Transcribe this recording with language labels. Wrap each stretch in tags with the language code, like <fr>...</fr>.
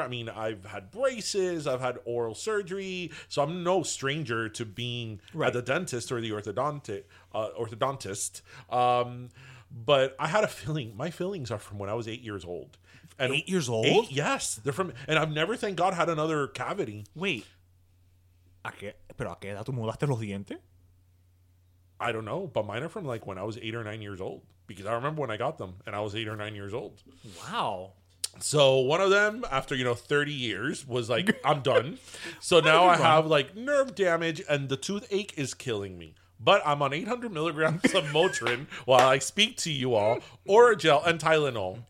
<en>I mean, I've had braces. I've had oral surgery. So I'm no stranger to being right. at the dentist or the orthodontist. But I had a filling. My fillings are from when I was 8 years old. And 8 years old? Eight, yes. They're from, and I've never, thank God, had another cavity. Wait.</en> <es>¿Pero a qué edad tú mudaste los dientes?</es> <en>I don't know, but mine are from like when I was 8 or 9 years old, because I remember when I got them and I was 8 or 9 years old. Wow. So one of them, after, you know, 30 years, was like, I'm done. So now I have like nerve damage and the toothache is killing me. But I'm on 800 milligrams of Motrin while I speak to you all, or a gel and Tylenol.</en>